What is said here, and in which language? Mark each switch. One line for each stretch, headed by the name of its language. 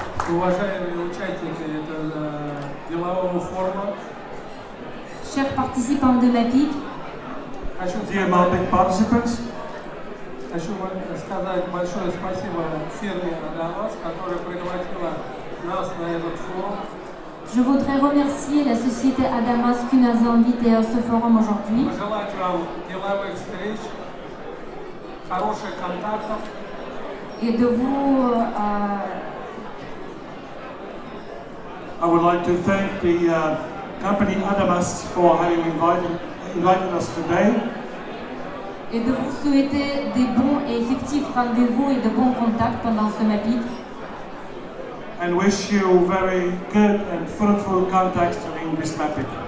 Russian: Уважаемые участники этого делового форума.
French: Chers participants de Mappic.
English: Dear Mappic participants.
Russian: Хочу сказать большое спасибо фирме Adamas, которая пригласила нас на этот форум.
French: Je voudrais remercier la société Adamas qui nous a invités à ce forum aujourd'hui.
Russian: Пожелать вам деловых встреч, хороших контактов.
French: Et de vous
English: I would like to thank the company Adamas for having invited us today.
French: et de vous souhaiter des bons et effectifs rendez-vous et de bons contacts pendant ce MAPIC.
English: And wish you very good and fruitful contacts during this MAPIC.